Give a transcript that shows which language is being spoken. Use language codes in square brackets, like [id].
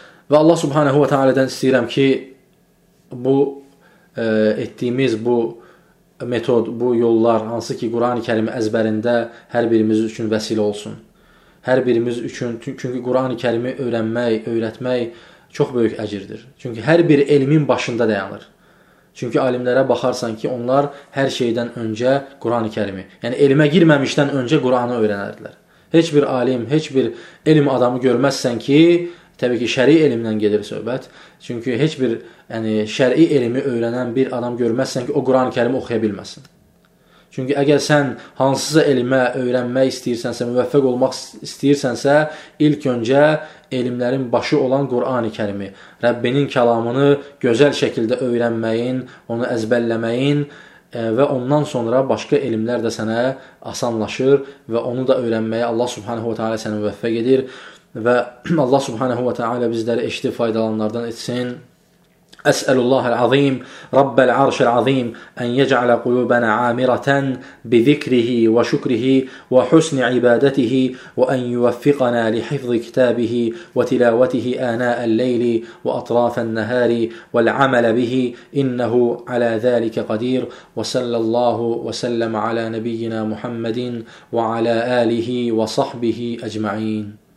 [az] Və Allah Subhanəhu və Teala-dən istəyirəm ki, bu etdiyimiz bu metod, bu yollar, hansı ki Quran-ı Kərimi əzbərində hər birimiz üçün vəsilə olsun. Hər birimiz üçün, çünki Quran-ı Kərimi öyrənmək, öyrətmək çox böyük əcirdir. Çünki hər bir elmin başında dayanır. Çünki alimlərə baxarsan ki, onlar hər şeydən öncə Quran-ı Kərimi, yəni elmə girməmişdən öncə Quranı öyrənərdilər. Heç bir alim, heç bir elm adamı görməzsən ki, təbii ki, şəri elmdən gedir söhbət. Çünki heç bir yəni, şəri elmi öyrənən bir adam görməzsən ki, o Quran-Kərimi oxuya bilməsin. Çünki əgər sən hansısa elmə öyrənmək istəyirsənsə, müvəffəq olmaq istəyirsənsə, ilk öncə elmlərin başı olan Qurani-Kərimi, Rəbbinin kəlamını gözəl şəkildə öyrənməyin, onu əzbəlləməyin və ondan sonra başqa elmlər də sənə asanlaşır və onu da öyrənməyə Allah Subhanahu wa Taala səni müvəffəq edir və Allah Subhanahu wa Taala bizləri eşidib faydalanlardan etsin. [ar] أسأل الله العظيم رب العرش العظيم أن يجعل قلوبنا عامرة بذكره وشكره وحسن عبادته وأن يوفقنا لحفظ كتابه وتلاوته آناء الليل وأطراف النهار والعمل به إنه على ذلك قدير وصلى الله وسلم على نبينا محمد وعلى آله وصحبه أجمعين